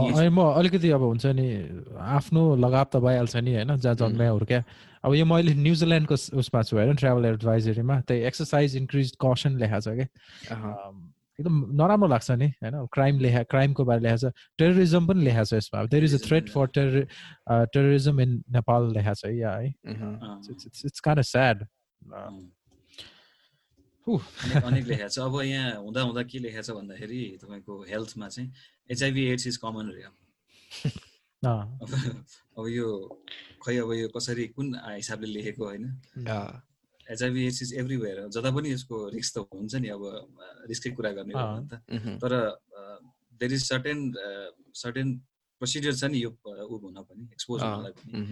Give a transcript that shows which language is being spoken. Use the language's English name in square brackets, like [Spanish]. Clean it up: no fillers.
[Nepali] म अलिकति अब हुन्छ नि आफ्नो लगाव त भइहाल्छ नि होइन जहाँ जन्मेहरू क्या. अब यो मैले न्युजिल्यान्डको उसमा छु होइन ट्राभल एडभाइजरीमा त्यही एक्सर्साइज इन्क्रिज कसन लेखा छ क्या, एकदम नराम्रो लाग्छ नि होइन. क्राइम लेखा क्राइमको बारे लेखा छ, टेरोरिजम पनि लेखा छ यसमा. [English] there is a threat for terrorism in Nepal [Nepali] लेखा छ या है. [English] It's kind of sad. [Nepali] अनेक लेखा छ. अब यहाँ हुँदा हुँदा के लेखा छ भन्दाखेरि तपाईँको हेल्थमा चाहिँ [English] HIV AIDS is common [Nepali] रे. अब यो खै अब यो कसरी कुन हिसाबले लेखेको होइन. [English] HIV AIDS is everywhere, [Nepali] जता पनि यसको रिस्क त हुन्छ नि. अब रिस्कै कुरा गर्ने हो नि त, तर [English] there is certain certain procedure [Nepali] छ नि यो ऊ हुन पनि एक्सपोज हुनलाई पनि.